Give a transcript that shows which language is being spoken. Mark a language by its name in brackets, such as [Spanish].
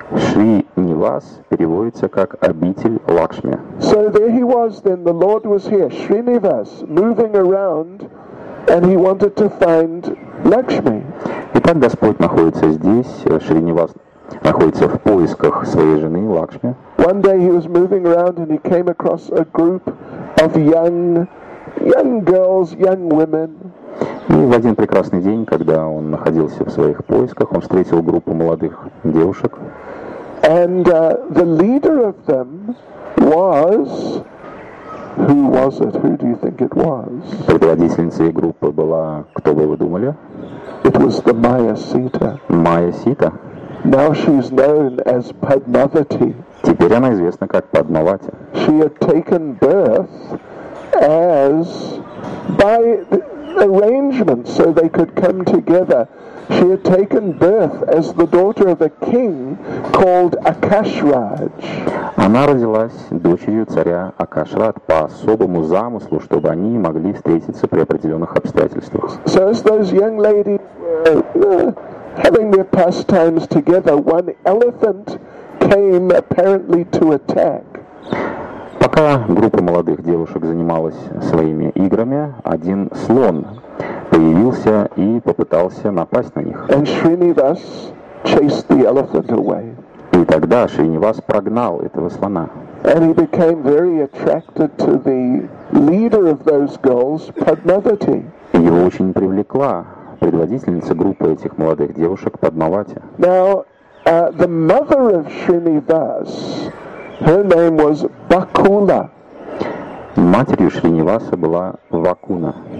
[Russian] Шринивас переводится как обитель Лакшми. [English] So there he was, then the Lord was here, Shrinivas, moving around, and he wanted to find Lakshmi. [Russian] Итак, Господь находится здесь, Шринивас находится в поисках своей жены Лакшми. [English] One day he was moving around and he came across a group of young girls, young women. [Russian] И в один прекрасный день, когда он находился в своих поисках, он встретил группу молодых девушек. [English] And the leader of them was, who was it? Who do you think it was? [Russian] Предводительницей группы была, кто бы вы думали? [English] It was the Maya Sita. Maya Sita. Now she is known as Padmavati. [Russian] Теперь она известна как Падмавати. [English] She had taken birth as by arrangement, so they could come together. She had taken birth as the daughter of a king called Akashraj. [Russian] Она родилась дочерью царя Акашрад по особому замыслу, чтобы они могли встретиться при определенных обстоятельствах. [English] So as those young ladies were having their pastimes together, one elephant came apparently to attack. [Russian] Пока группа молодых девушек занималась своими играми, один слон появился и попытался напасть на них. [English] And Srinivas chased the elephant away. [Russian] И тогда Шринивас прогнал этого слона. [English] And he became very attracted to the leader of those girls, Padmavati. [Russian] Его очень привлекла предводительница группы этих молодых девушек Падмавати. [English] Now, the mother of Srinivas, her name was Bakula. [Russian] Матерью Шринаваса была Вакуна.